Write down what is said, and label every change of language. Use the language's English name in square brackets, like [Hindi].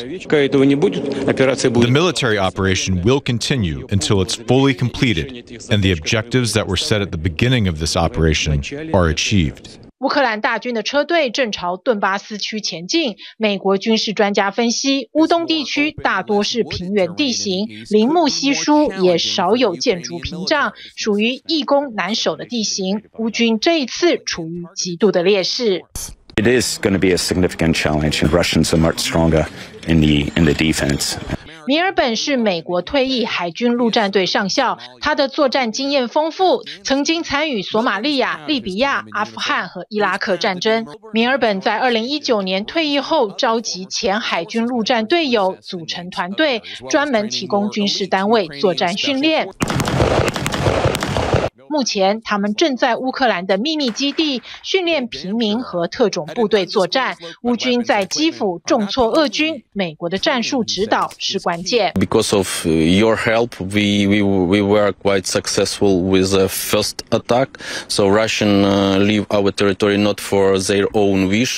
[English] The military operation will continue until it's fully completed, and the objectives that were set at the beginning of this operation are achieved. [Chinese] 乌克兰大军的车队正朝顿巴斯区前进。美国军事专家分析，乌东地区大多是平原地形，林木稀疏，也少有建筑屏障，属于易攻难守的地形。乌军这一次处于极度的劣势。 [English] It is going to be a significant challenge, and Russians are much stronger in the defense. [Chinese] 米尔本是美国退役海军陆战队上校，他的作战经验丰富，曾经参与索马利亚、利比亚、阿富汗和伊拉克战争。米尔本在2019年退役后，召集前海军陆战队友组成团队，专门提供军事单位作战训练。目前他们正在乌克兰的秘密基地训练平民和特种部队作战，乌军在基辅重挫俄军，美国的战术指导是关键。 [English] Because of your help, we were quite successful with the first attack. So Russian leave our territory not for their own wish.